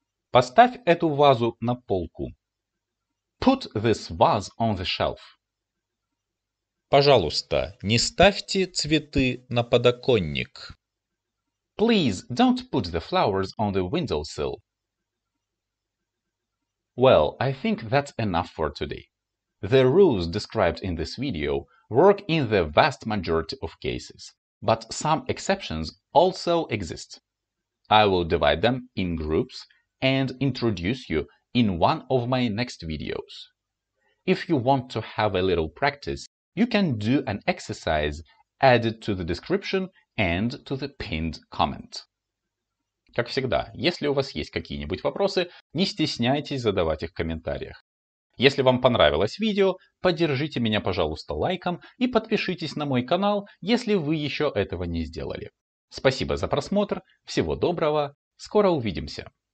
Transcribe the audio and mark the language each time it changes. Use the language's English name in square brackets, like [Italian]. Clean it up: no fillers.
[Russian] Поставь эту вазу на полку. [English] Put this vase on the shelf. [Russian] Пожалуйста, не ставьте цветы на подоконник. [English] Please don't put the flowers on the windowsill. Well, I think that's enough for today. The rules described in this video work in the vast majority of cases, but some exceptions also exist. I will divide them in groups and introduce you in one of my next videos. If you want to have a little practice, you can do an exercise added to the description and to the pinned comment. [Russian] Как всегда, если у вас есть какие-нибудь вопросы, не стесняйтесь задавать их в комментариях. Если вам понравилось видео, поддержите меня, пожалуйста, лайком и подпишитесь на мой канал, если вы еще этого не сделали. Спасибо за просмотр, всего доброго, скоро увидимся!